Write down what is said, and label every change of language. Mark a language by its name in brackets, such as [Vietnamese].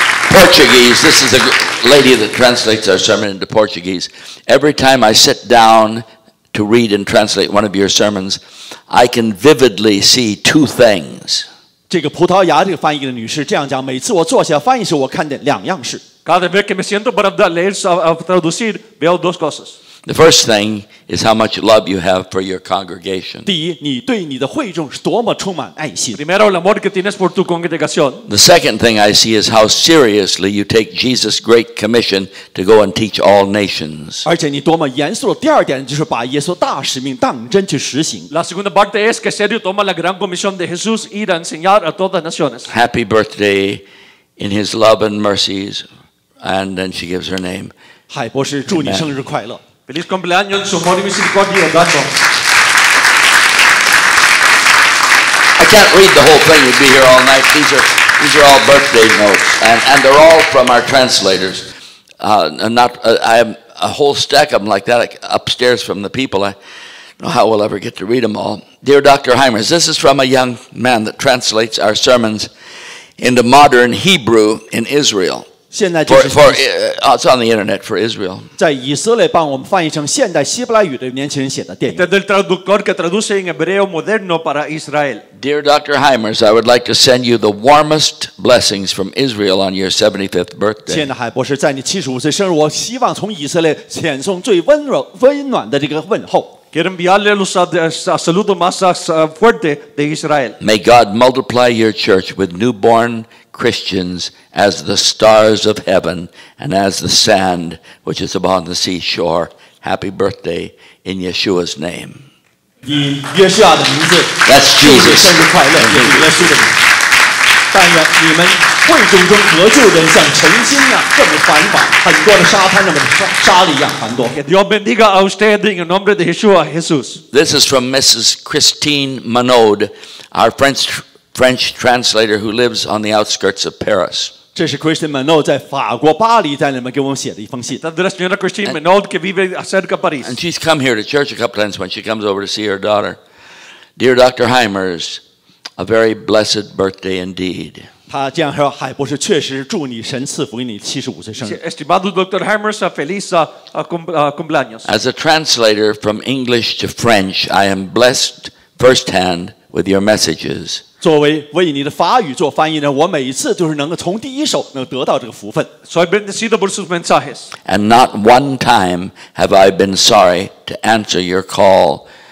[English] Portuguese, this is a lady that translates our sermon into Portuguese. Every time I sit down to read and translate one of your sermons, I can vividly see two things. [Chinese] 这个葡萄牙这个翻译的女士这样讲，每次我坐下翻译时，我看见两样事。 [Spanish] Cada vez que me siento para leer o traducir, veo dos cosas. [English] The first thing is how much love you have for your congregation. [Chinese] 第一，你对你的会众是多么充满爱心。 [Spanish] Primero, el amor que tienes por tu congregación. [English] The second thing I see is how seriously you take Jesus' great commission to go and teach all nations. [Chinese] 而且你多么严肃的第二点就是把耶稣大使命当真去实行。 [Spanish] La segunda parte es que serio toma la gran comisión de Jesús ir a enseñar a todas las naciones. [English] Happy birthday in His love and mercies, and then she gives her name. [Chinese] 海博士，祝你生日快乐。 [Spanish] Feliz cumpleaños, amor y misericordia, gato. [English] I can't read the whole thing. We'd be here all night. These are all birthday notes, and they're all from our translators. I have a whole stack of them like that upstairs from the people. I don't know how we'll ever get to read them all. Dear Dr. Hymers, this is from a young man that translates our sermons into modern Hebrew in Israel. [Chinese] 现在就是 [English] for it's on the internet for Israel. [Chinese] 在以色列帮我们翻译成现代希伯来语的年轻人写的电影。 [Spanish] Este es el traductor que traduce en hebreo moderno para Israel. [English] Dear Dr. Hymers, I would like to send you the warmest blessings from Israel on your 75th birthday. [Chinese] 亲爱的海博士，在你75岁生日，我希望从以色列遣送最温柔、温暖的这个问候。 [Spanish] Quiero enviarle los saludos más fuertes de Israel. [English] May God multiply your church with newborn Christians as the stars of heaven and as the sand which is upon the seashore. Happy birthday in Yeshua's name. That's Jesus. [Chinese] 生日快乐，耶稣的名。但愿你们会众中得救人像晨星啊这么繁华，很多的沙滩那么沙粒一样繁多。 [Spanish] Dios bendiga a usted en el nombre de Yeshua Jesús. [English] This is from Mrs. Christine Manaud, our French translator who lives on the outskirts of Paris. [Chinese] 这是 Christine Manaud 在法国巴黎在里面给我们写的一封信。 [English] That's the [Spanish] senora Christine Manaud que vive cerca de París. [English] And she's come here to church a couple times when she comes over to see her daughter. Dear Dr. Hymers, a very blessed birthday indeed. [Chinese] 他这样说：“海博士，确实祝你神赐福给你七十五岁生日。” [Spanish] Estimado Dr. Hymers, feliz cumpleaños. [English] As a translator from English to French, I am blessed firsthand with your messages. [Chinese] 作为为你的法语做翻译呢，我每一次都是能够从第一手能得到这个福分。 [Spanish] Soy bendecido por sus mensajes. [English] And not one time have I been sorry to answer your call.